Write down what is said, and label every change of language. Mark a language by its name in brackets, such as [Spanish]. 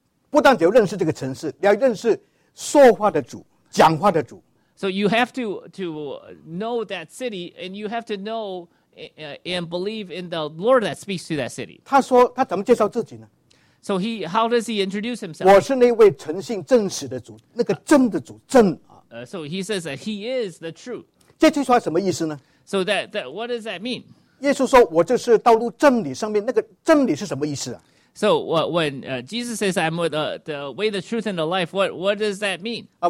[Chinese] 不但只要认识这个城市, 要认识说话的主, 讲话的主。 [English] So you have to know that city, and you have to know and believe in the Lord that speaks to that city. [Chinese] 他说他怎么介绍自己呢? [English] So how does he introduce himself? [Chinese] 我是那位诚信正直的主,那个真的主,真。 [English] So he says that he is the truth. [Chinese] 这句话什么意思呢? [English] So that what does that mean? [Chinese] 耶稣说我就是道路真理上面,那个真理是什么意思啊? [English] So when Jesus says I'm the way, the truth, and the life, what does that mean?